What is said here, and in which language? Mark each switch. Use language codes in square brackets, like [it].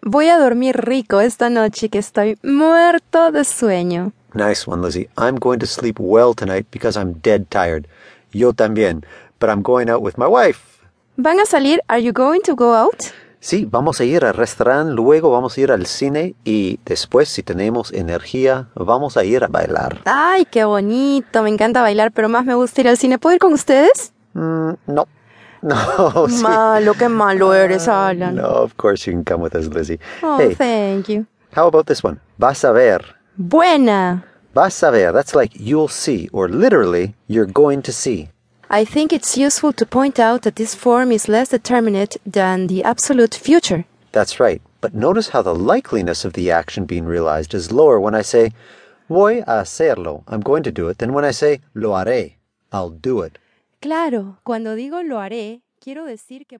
[es] Voy a dormir rico esta noche que estoy muerto de sueño. [en] Nice one, Lizzie. I'm going to sleep well tonight because I'm dead tired. [es] Yo también. [en] But I'm going out with my wife. [es] ¿Van a salir? [en] Are you going to go out? [es] Sí, vamos a ir al restaurante, luego vamos a ir al cine y después, si tenemos energía, vamos a ir a bailar. ¡Ay, qué bonito! Me encanta bailar, pero más me gusta ir al cine. ¿Puedo ir con ustedes? No. No, sí. Malo, qué malo eres, Alan. [en] No, of course you can come with us, Lizzie. Oh, hey, thank you. How about this one? [es] Vas a ver. Buena. Vas a ver. [en] That's like you'll see, or literally, you're going to see. I think it's useful to point out that this form is less determinate than the absolute future. That's right. But notice how the likeliness of the action being realized is lower when I say, [es] voy a hacerlo, [en] I'm going to do it, than when I say, [es] lo haré, [en] I'll do it. [es] Claro, cuando digo lo haré, quiero decir que...